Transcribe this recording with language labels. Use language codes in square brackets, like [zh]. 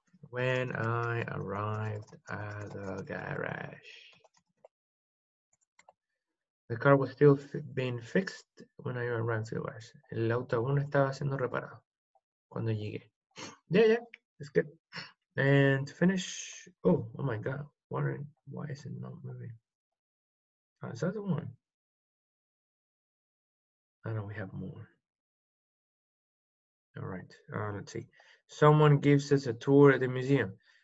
[en] When I arrived at the garage, the car was still being fixed when I arrived to the garage. [es] El auto aún estaba siendo reparado cuando llegué. [en] Yeah, yeah, it's good. And to finish, oh my god, wondering why is it not moving? Is that the one? I know we have more. All right, let's see. Someone gives us a tour at the museum.